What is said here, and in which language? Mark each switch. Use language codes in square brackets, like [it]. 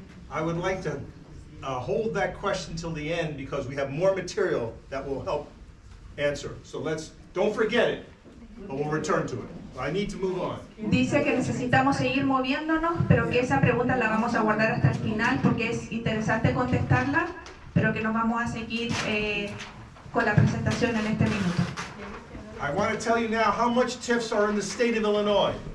[en] I would like to hold that question till the end because we have more material that will help answer. So let's, don't forget it, but we'll return to it. I need to move on. [es] Dice que necesitamos seguir moviéndonos, pero que esa pregunta la vamos a guardar hasta el final porque es interesante contestarla, pero que nos vamos a seguir con la presentación en este minuto. [en] I want to tell you now how much TIFs are in the state of Illinois.